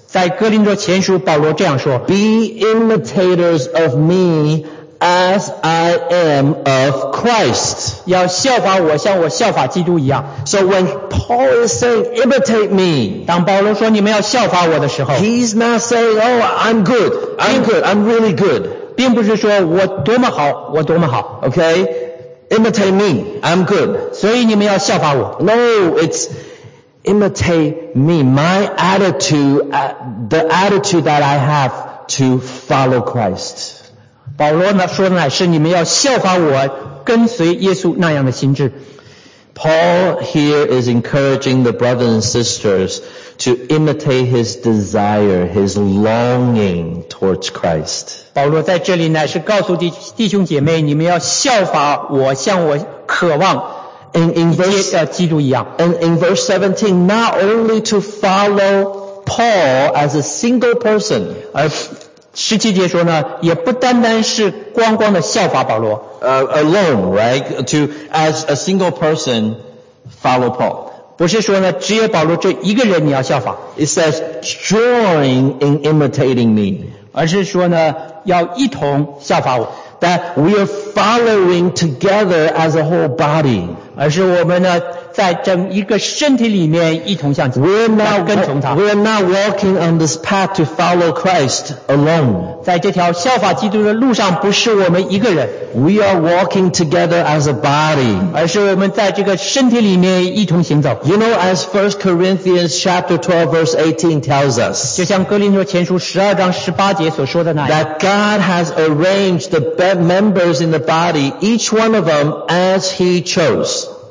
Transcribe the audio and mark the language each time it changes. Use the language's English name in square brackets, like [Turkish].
[Chinese] 在哥林多前书，保罗这样说。 [English] Be imitators of me as I am of Christ. [Chinese] 要效法我，像我效法基督一样。 [English] So when Paul is saying imitate me, [Chinese] 当保罗说你们要效法我的时候， [English] he's not saying, oh, I'm good, I'm really good. [Chinese] 并不是说我多么好。 [English] Okay? Imitate me, I'm good. [Chinese] 所以你们要效法我。 [English] No, it's imitate me, my attitude, the attitude that I have to follow Christ. [Chinese] 保罗呢说的乃是你们要效法我跟随耶稣那样的心智。 [English] Paul here is encouraging the brothers and sisters to imitate his desire, his longing towards Christ. [Chinese] 保罗在这里呢, 是告诉弟兄姐妹, 你们要效法我, 像我渴望, [English] In verse 17, not only to follow Paul as a single person, [Chinese] 17节说呢, 也不单单是光光的效法保罗, [English] alone, right? To, as a single person, follow Paul. [Chinese] 不是说呢, 只有保罗这一个人你要效法, [English] it says, join in imitating me. [Chinese] 而是说呢, 要一同效法我, [English] that we are following together as a whole body. [Chinese] 而是我们呢, 在整一个身体里面一同向前, [English] we're not walking on this path to follow Christ alone. [Chinese] 在这条效法基督的路上不是我们一个人, [English] we are walking together as a body. [Chinese] 而是我们在这个身体里面一同行走, [English] you know, as 1 Corinthians chapter 12 verse 18 tells us, [Chinese] 就像哥林多前书12章18节所说的那样, [English] that God has arranged the members in the body, each one of them, as he chose.